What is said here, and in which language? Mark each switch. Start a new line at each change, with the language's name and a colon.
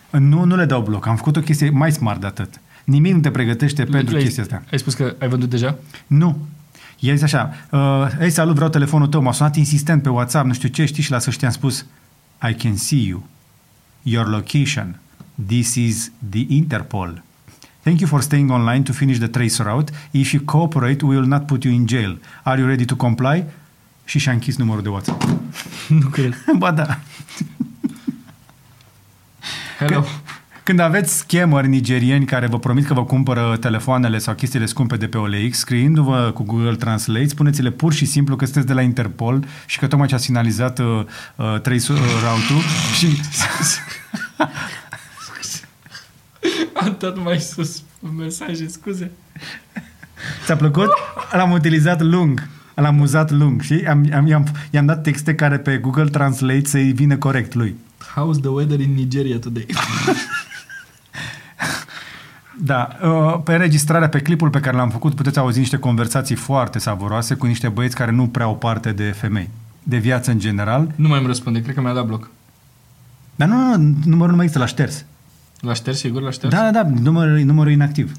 Romanian: Nu le dau bloc, am făcut o chestie mai smart de atât. Nimic nu te pregătește pentru chestia asta. Ai spus că ai vândut deja? Nu. El zice așa, ei, salut, vreau telefonul tău, m-a sunat insistent pe WhatsApp, nu știu ce, știi, și la sfârșit am spus,
English: I can see you, your location. This is the Interpol. Thank you for staying online to finish the tracer out. If you cooperate, we will not put you in jail. Are you ready to comply?
Romanian: Și și-a închis numărul de WhatsApp. Nu cred. Ba da.
English: Hello.
Romanian: Când aveți scammeri nigerieni care vă promit că vă cumpără telefoanele sau chestiile scumpe de pe OLX, scriindu-vă cu Google Translate, spuneți-le pur și simplu că sunteți de la Interpol și că tocmai ce a finalizat tracer out-ul și... Am tot mai sus un mesaj, scuze. Ți-a plăcut? L-am utilizat lung. L-am uzat lung. Și i-am dat texte care pe Google Translate să-i vină corect lui.
English: How's the weather in Nigeria today?
Romanian: Da. Pe înregistrarea, pe clipul pe care l-am făcut, puteți auzi niște conversații foarte savuroase cu niște băieți care nu prea au parte de femei. De viață în general. Nu mai îmi răspunde. Cred că mi-a dat bloc. Dar nu, numărul nu mai există. L-a șters. La șters, sigur, la șters? Da, numărul inactiv.